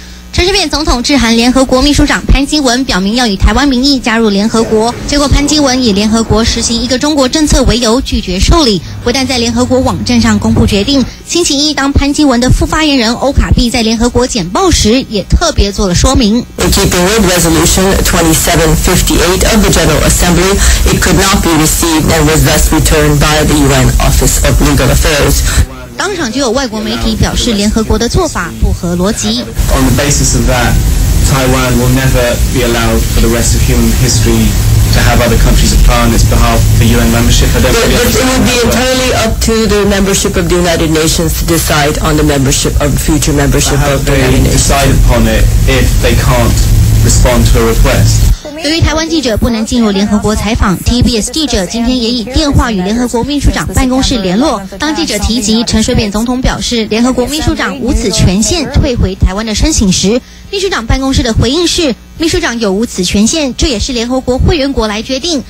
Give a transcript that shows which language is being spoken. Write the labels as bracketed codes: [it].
[zh] 陈水扁总统致函联合国秘书长潘基文，表明要以台湾名义加入联合国，结果潘基文以联合国实行一个中国政策为由拒绝受理，不但在联合国网站上公布决定，星期一当潘基文的副发言人欧卡碧在联合国简报时也特别做了说明。 [en] In keeping with resolution 2758 of the General Assembly, it could not be received and was thus returned by the UN Office of Legal Affairs. [zh] 当场就有外国媒体表示联合国的做法不合逻辑。 [en] On the basis of that, Taiwan will never be allowed for the rest of human history to have other countries apply on its behalf for UN membership. It would be entirely up to the membership of the United Nations to decide on the membership of future membership of the United Nations. They decide upon it if they can't respond to a request. [zh] 由于台湾记者不能进入联合国采访 ，TBS 记者今天也以电话与联合国秘书长办公室联络。当记者提及陈水扁总统表示联合国秘书长无此权限退回台湾的申请时，秘书长办公室的回应是：秘书长有无此权限，这也是联合国会员国来决定。